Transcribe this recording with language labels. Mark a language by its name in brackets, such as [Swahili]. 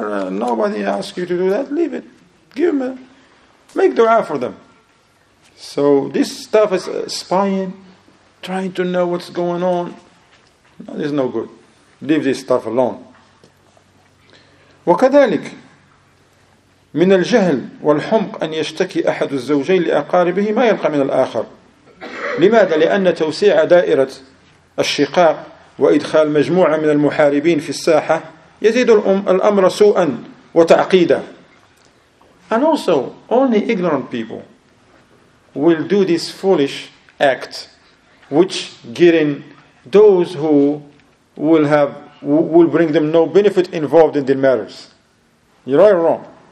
[English] Nobody asks you to do that. Leave it. Give them. Make dua for them. So this stuff is spying, trying to know what's going on. No, it's no good. Leave this stuff alone. [Arabic] وكذلك من الجهل والحمق أن يشتكي أحد الزوجين لأقاربه ما يلقى من الآخر. لماذا؟ لأن توسيع دائرة الشقاق وإدخال مجموعة من المحاربين في الساحة يزيد الأمر سوءا وتعقيدا. [English] And also, only ignorant people will do this foolish act, which getting those who will bring them no benefit involved in the matters. You're right or wrong?